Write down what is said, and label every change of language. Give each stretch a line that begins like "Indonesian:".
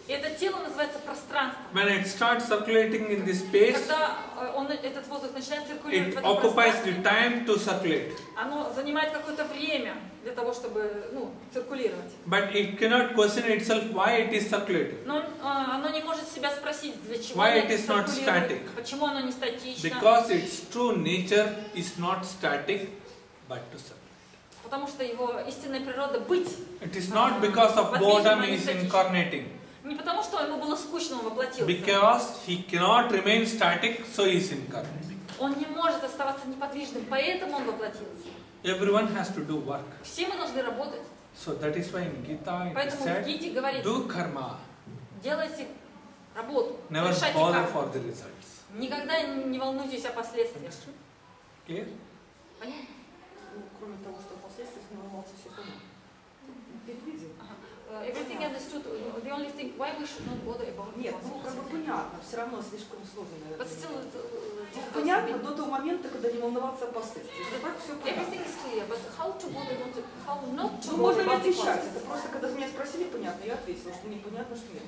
Russian: И это тело называется пространством.
English: When it starts circulating in this space,
Russian: когда он этот воздух начинает циркулировать,
English: it occupies the time to circulate.
Russian: Оно занимает какое-то время для того, чтобы циркулировать.
English: But it cannot question itself why it is circulating.
Russian: Но оно не может себя спросить, для чего.
English: Why it is not static?
Russian: Почему оно не статично?
English: Because its true nature is not static, but to circulate.
Russian: Потому что его истинная природа быть.
English: It is not because of boredom is incarnating.
Russian: Не потому, что ему было скучно, он воплотился.
English: Because he cannot remain static, so he is incarnating.
Russian: Он не может оставаться неподвижным, поэтому он воплотился.
English: Everyone has to do work.
Russian: Все мы должны работать.
English: So that is why in Gita it
Russian: поэтому
English: said,
Russian: в Гите говорится,
English: do karma.
Russian: Делайте работу.
English: Never
Russian: решайте
English: bother
Russian: карму.
English: For the results.
Russian: Никогда не волнуйтесь о последствиях.
English: Clear?
Russian: Понятно? Ну, кроме того, что последствия, мы волнуемся все равно.
English: Everything understood. The only thing, why we should not bother about
Russian: нет, ну как бы понятно, все равно слишком сложно, наверное.
English: But still,
Russian: понятно до того момента, когда не волноваться о последствиях. Да так все понятно.
English: Everything is clear, but how to bother, how not to bother.
Russian: Можно не отвечать, это просто, когда меня спросили, понятно, я ответила, что мне понятно, что нет.